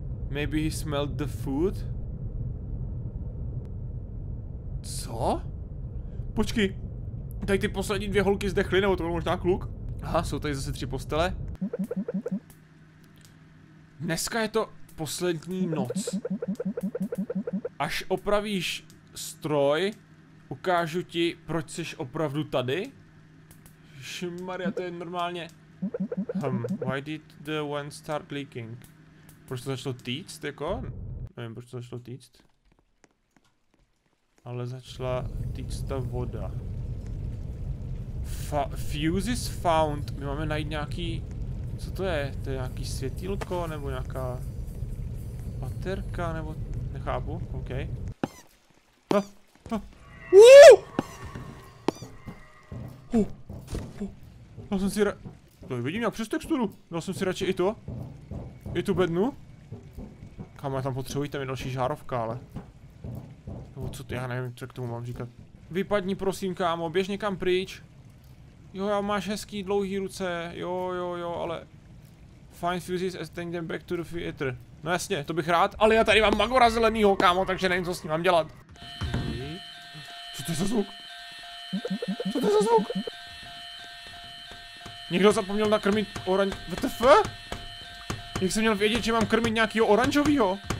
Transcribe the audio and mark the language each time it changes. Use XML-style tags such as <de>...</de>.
<en>Maybe he smelled the food.</en> <cs>Co? Počkej. Tady ty poslední dvě holky zdechly, nebo to byl možná kluk? Aha, jsou tady zase tři postele. Dneska je to poslední noc. Až opravíš stroj, ukážu ti, proč jsi opravdu tady. Šmarja, to je normálně...</cs> <en>why did the wine start leaking?</en> <cs>Proč to začalo týct, jako? Nevím, proč to začalo týct. Ale začala týct ta voda.</cs> <en>Fuse is found.</en> <cs>My máme najít nějaký... Co to je? To je nějaký světýlko, nebo nějaká... baterka, nebo... Nechápu, OK. Dal jsem si To vidím nějak přes texturu. Dal jsem si radši i to. I tu bednu. Kámo, tam potřebuji, tam je další žárovka, ale... Nebo co ty, já nevím, co k tomu mám říkat. Vypadni prosím, kámo, běž někam pryč. Jo, já máš hezký dlouhý ruce, jo, ale...</cs> <en>Find fuses and take them back to the theater.</en> <cs>No jasně, to bych rád, ale já tady mám magora zelenýho, kámo, takže nevím, co s ním mám dělat. Co to je za zvuk? Co to je za zvuk? Někdo zapomněl nakrmit oran... WTF? Jak jsem měl vědět, že mám krmit nějakýho oranžovýho?</cs>